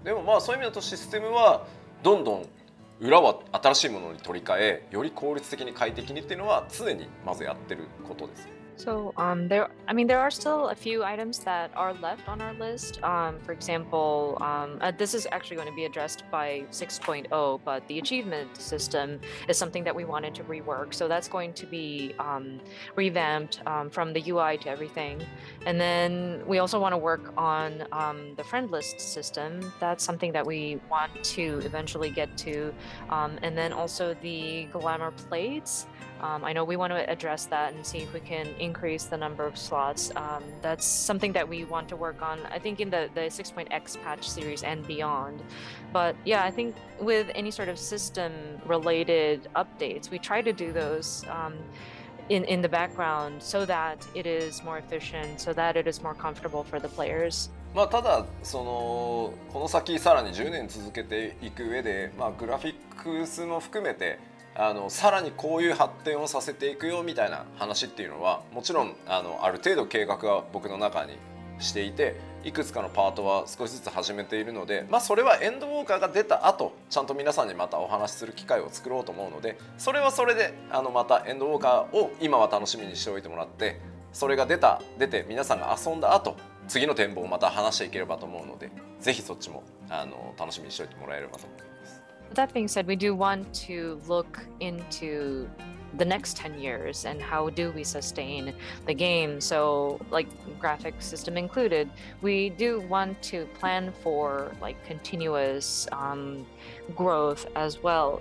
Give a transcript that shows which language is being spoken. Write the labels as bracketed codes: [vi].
[ja] でもまあそういう意味だとシステムはどんどん裏は新しいものに取り替え、より効率的に快適にっていうのは常にまずやってることです。 [en] So, there are still a few items that are left on our list. For example, this is actually going to be addressed by 6.0, but the achievement system is something that we wanted to rework. So that's going to be revamped from the UI to everything. And then we also want to work on the friend list system. That's something that we want to eventually get to. And then also the glamour plates. I know we want to address that and see if we can increase the number of slots. That's something that we want to work on, I think, in the 6.x patch series and beyond. But yeah, I think with any sort of system related updates, we try to do those in the background so that it is more efficient, so that it is more comfortable for the players. [ja] まあ、ただそのこの先さらに10年続けていく上で、まあグラフィックスも含めてあのさらにこういう発展をさせていくよみたいな話っていうのはもちろん ある程度計画は僕の中にしていて、いくつかのパートは少しずつ始めているので、まあそれはエンドウォーカーが出た後ちゃんと皆さんにまたお話しする機会を作ろうと思うので、それはそれでまたエンドウォーカーを今は楽しみにしておいてもらって、それが出て皆さんが遊んだ後次の展望をまた話していければと思うので、ぜひそっちも楽しみにしておいてもらえればと思います。 [en] That being said, we do want to look into the next 10 years and how do we sustain the game. So, like graphic system included, we do want to plan for like continuous growth as well.